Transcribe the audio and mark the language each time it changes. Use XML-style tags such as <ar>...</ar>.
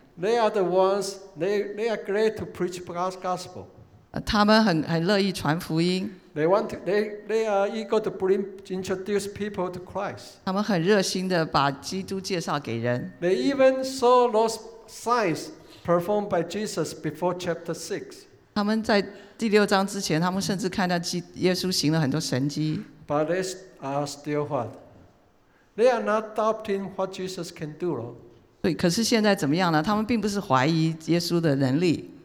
<en>They are the ones, they are great to preach gospel.</en> <zh>他们很乐意传福音。</zh> <en>They want to, they are eager to bring, introduce people to Christ.</en> <zh>他们很热心地把基督介绍给人。</zh> <en>They even saw those signs performed by Jesus before chapter 6.</en> <zh>他们在第六章之前，他们甚至看到耶稣行了很多神迹。</zh> <en>But they are still what? They are not doubting what Jesus can do.</en> <zh>对，可是现在怎么样呢？他们并不是怀疑耶稣的能力。</zh>